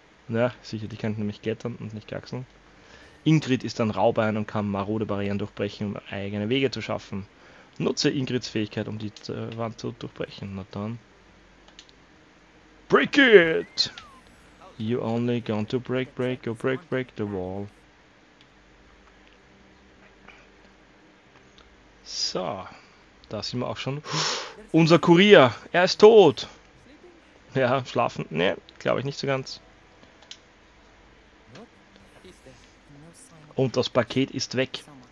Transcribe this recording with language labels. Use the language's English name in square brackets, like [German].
[German] Naja, sicher, die können nämlich klettern und nicht kraxeln. Ingrid ist ein Raubein und kann marode Barrieren durchbrechen, um eigene Wege zu schaffen. Nutze Ingrids Fähigkeit, um die Wand zu durchbrechen. Na dann. [English] Break it! You only going to break, break, go break, break the wall. [German] So, da sind wir auch schon. Unser Kurier, er ist tot. Ja, schlafen? Ne, glaube ich nicht so ganz. Und das Paket ist weg.